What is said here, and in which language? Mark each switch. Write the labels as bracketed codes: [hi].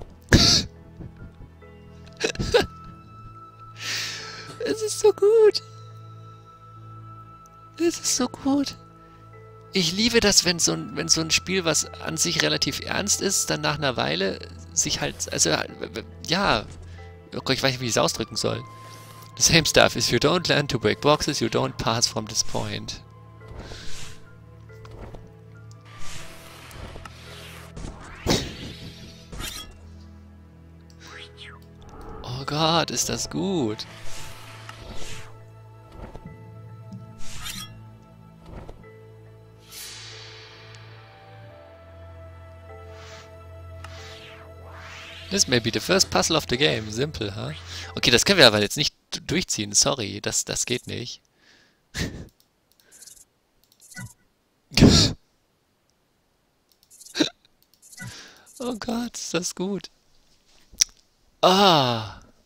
[de] Es ist so gut. Es ist so gut. Ich liebe das, wenn so ein Spiel, was an sich relativ ernst ist, dann nach einer Weile sich halt, also, ja, Oh Gott, ich weiß nicht, wie ich es ausdrücken soll. [en] The same stuff is you don't learn to break boxes, you don't pass from this point. [de] Oh Gott, ist das gut. [en] This may be the first puzzle of the game. Simple, huh? [de] Okay, das können wir aber jetzt nicht durchziehen. Sorry, das geht nicht. Oh Gott, ist das gut. Ah.